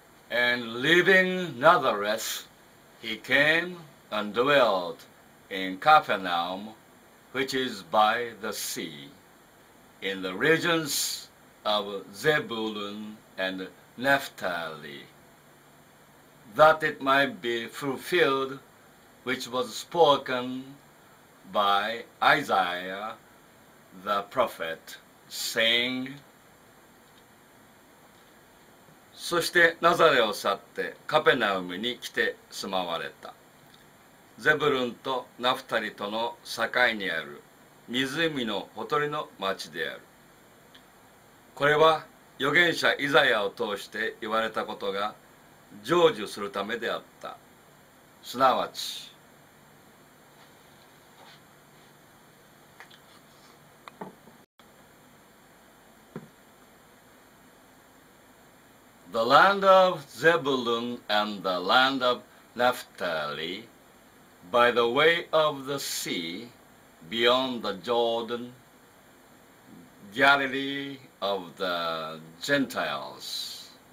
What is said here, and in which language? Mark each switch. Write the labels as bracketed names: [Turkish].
[English] And leaving Nazareth, he came and dwelt in Capernaum, which is by the sea, in the regions of Zebulun and Naphtali, that it might be fulfilled which was spoken by Isaiah the prophet, saying, [Japanese] そしてナザレを去ってカペナウムに来て住まわれた。ゼブルンとナフタリとの境にある湖のほとりの町である。これは預言者イザヤを通して言われたことが成就するためであった。すなわち、 [English] The land of Zebulun and the land of Naphtali, by the way of the sea, beyond the Jordan, Galilee of the Gentiles.